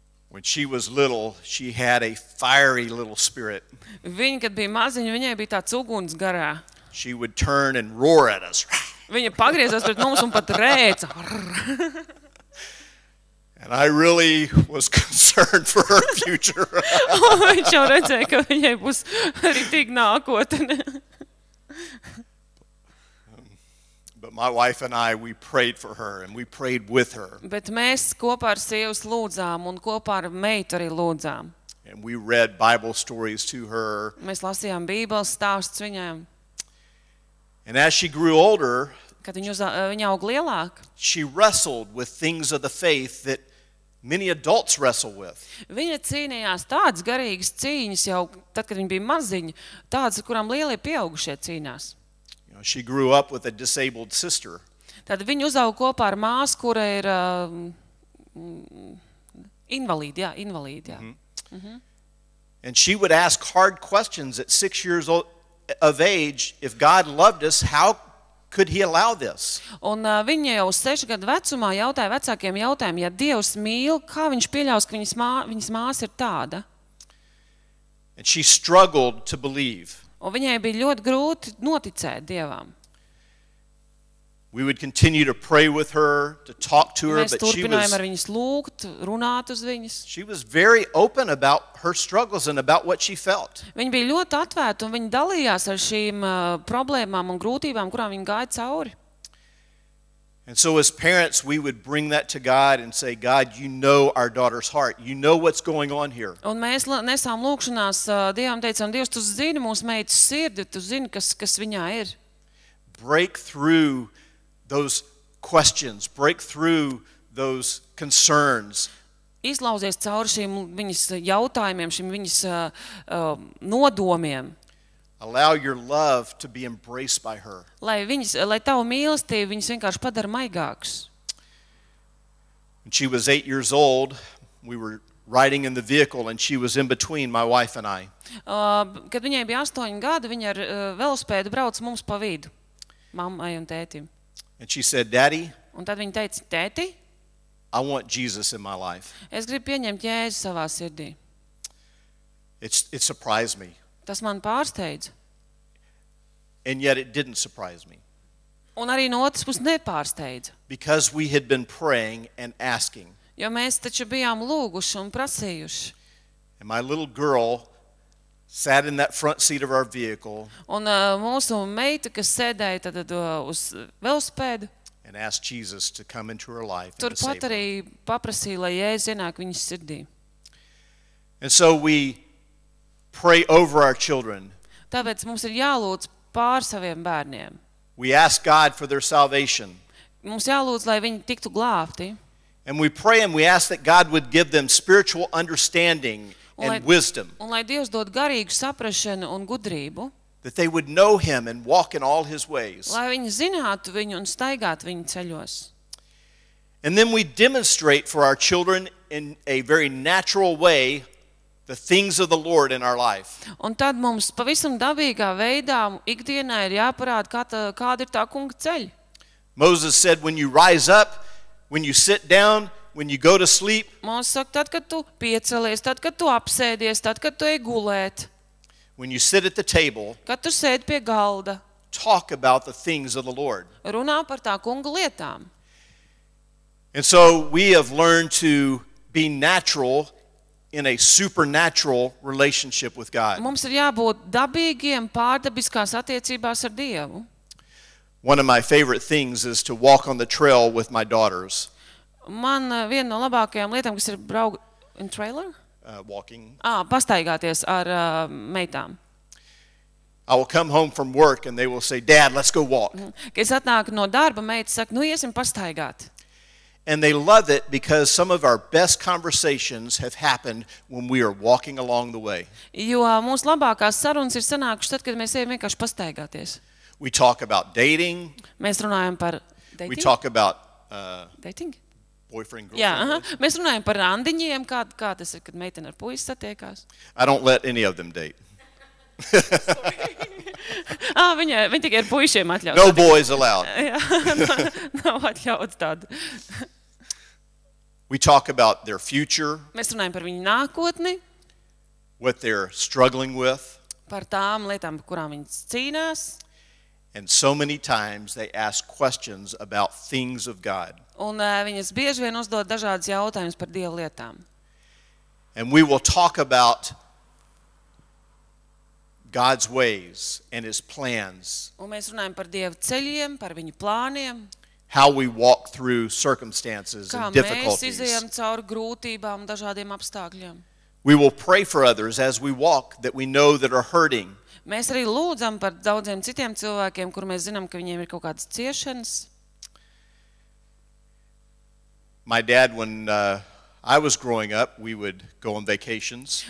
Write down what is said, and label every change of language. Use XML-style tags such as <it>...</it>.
<en>When she was little, she had a fiery little spirit.</en> <lv>Viņa, kad bija maziņa, viņai bija tāds uguns garā.</lv> <en>She would turn and roar at us.</en> <lv>Viņa pagriezās pret mums un pat rēca.</lv> <en>And I really was concerned for her future.</en> <lv>Viņš jau redzēja, ka viņai būs ritīga nākotne.</lv> <en>But my wife and I, we prayed for her and we prayed with her.</en> <lv>Bet mēs kopā ar sievu lūdzām un kopā ar meitu arī lūdzām.</lv> <en>And we read Bible stories to her.</en> <lv>Mēs lasījām Bībeles stāstus viņai.</lv> <en>And as she grew older,</en> <lv>kad viņa aug lielāk,</lv> <en>she wrestled with things of the faith that many adults wrestle with.</en> <lv>Viņa cīnījās tādas garīgas cīņas jau tad, kad viņa bija maziņa, tādas, kurām lielie pieaugušie cīnās.</lv> <en>You know, she grew up with a disabled sister.</en> <lv>Tad viņa uzauga kopā ar māsu, kura ir invalīda, jā, invalīda. Mm-hmm. Mm-hmm.</lv> <en>And she would ask hard questions at 6 years old. Of age, if God loved us, how could he allow this?</en> <lv>Un viņa jau 6 gadu vecumā jautāja vecākiem jautājumu, ja Dievs mīl, kā viņš pieļaus, ka viņas māsa ir tāda?</lv> <en>And she struggled to believe.</en> <lv>Un viņai bija ļoti grūti noticēt Dievam.</lv> <en>We would continue to pray with her, to talk to her, but she was</en> <lv>ar viņas lūgt, runāt uz viņas.</lv> <en>She was very open about her struggles and about what she felt.</en> <lv>Viņa bija ļoti atvērta un viņa dalījās ar šīm problēmām un grūtībām, kurām viņa gāja cauri.</lv> <en>And so as parents, we would bring that to God and say, God, you know our daughter's heart. You know what's going on here.</en> <lv>Un mēs nesām lūkšanās Dievam, teicām, Dievs, tu zini mūsu meitas sirdi, tu zini, kas viņā ir.</lv> <en>Break through those questions, break through those concerns.</en> <lv>Izlauzies cauri šīm viņas jautājumiem, šīm viņas nodomiem.</lv> <en>Allow your love to be embraced by her.</en> <lv>Lai tava mīlestība viņas vienkārši padara maigākas.</lv> <en>When she was 8 years old, we were riding in the vehicle and she was in between my wife and I.</en> <lv>Kad viņai bija 8 gadi, viņa ar velosipēdu brauc mums pa vidu, mammai un tētim.</lv> <en>And she said, Daddy,</en> <lv>un tad viņa teica, tēti,</lv> <en>I want Jesus in my life.</en> <lv>Es gribu pieņemt Jēzu savā sirdī.</lv> <en>It surprised me.</en> <lv>Tas man pārsteidz.</lv> <en>And yet it didn't surprise me.</en> <lv>Un arī no otras puses nepārsteidz.</lv> <en>Because we had been praying and asking.</en> <lv>Jo mēs taču bijām lūguši un prasījuši.</lv> <en>And my little girl sat in that front seat of our vehicle.</en> <lv>Un mūsu meita, kas sēdēja tad uz velosipēdu.</lv> <en>And asked Jesus to come into her life.</en> <lv>Turpat arī paprasīja, lai Jēzus ienāk viņas sirdī.</lv> <en>And so we pray over our children.</en> <lv>Tāpēc mums ir jālūdz pār saviem bērniem.</lv> <en>We ask God for their salvation.</en> <lv>Mums jālūdz, lai viņi tiktu glābti.</lv> <en>And we pray and we ask that God would give them spiritual understanding and wisdom.</en> <lv>Un lai Dievs dod garīgu saprašanu un gudrību.</lv> <en>That they would know him and walk in all his ways.</en> <lv>Lai viņi zinātu viņu un staigātu viņa ceļos.</lv> <en>And then we demonstrate for our children in a very natural way the things of the Lord in our life.</en> <lv>Un tad mums pavisam dabīgā veidā ikdienā ir jāparāda, kāda ir tā kunga ceļa.</lv> <en>Moses said, when you rise up, when you sit down, when you go to sleep.</en> <lv>Mozes saka, tad, kad tu piecelies, tad, kad tu apsēdies, tad, kad tu ej gulēt.</lv> <en>When you sit at the table.</en> <lv>Kad tu sēdi pie galda.</lv> <en>Talk about the things of the Lord.</en> <lv>Runā par tā kunga lietām.</lv> <en>And so we have learned to be natural in a supernatural relationship with God.</en> <lv>Mums ir jābūt dabīgiem pārdabiskās attiecībās ar Dievu.</lv> <en>One of my favorite things is to walk on the trail with my daughters.</en> <lv>Man viena no labākajām lietām, kas ir braukt</lv> <en>in trailer? Walking.</en> <lv>Pastaigāties ar meitām.</lv> <en>I will come home from work and they will say, "Dad, let's go walk."</en> <lv>Kad es atnāku no darba, meita saka, "Nu, iesim pastaigāt."</lv> <en>And they love it because some of our best conversations have happened when we are walking along the way.</en> <lv>Jo mūsu labākās sarunas ir sanākušas tad, kad mēs ejam vienkārši pastaigāties.</lv> <en>We talk about dating.</en> <lv>Mēs runājam par dating.</lv> <en>We talk about dating? Boyfriend, girlfriend.</en> <lv>Jā, mēs runājam par randiņiem, kā tas ir, kad meitene ar puisi satiekās.</lv> <en>I don't let any of them date.</en> <lv>viņi tikai ar puišiem atļaut.</lv> <en>No boys allowed.</en> <lv>Nav atļauts tādu.</lv> <en>We talk about their future.</en> <lv>Mēs runājam par viņu nākotni.</lv> <en>What they're struggling with.</en> <lv>Par tām lietām, kurām viņi cīnās.</lv> <en>And so many times they ask questions about things of God.</en> <lv>Un viņas bieži vien uzdod dažādas jautājumas par Dieva lietām.</lv> <en>And we will talk about God's ways and his plans.</en> <lv>Un mēs runājam par Dieva ceļiem, par viņa plāniem.</lv> <en>How we walk through circumstances and difficulties.</en> <lv>Kā mēs izejam cauri grūtībām un dažādiem apstākļiem.</lv> <en>We will pray for others as we walk that we know that are hurting.</en> <lv>Mēs arī lūdzam par daudziem citiem cilvēkiem, kur mēs zinām, ka viņiem ir kaut kādas ciešanas.</lv> <en>My dad, when I was growing up, we would go on vacations.</en>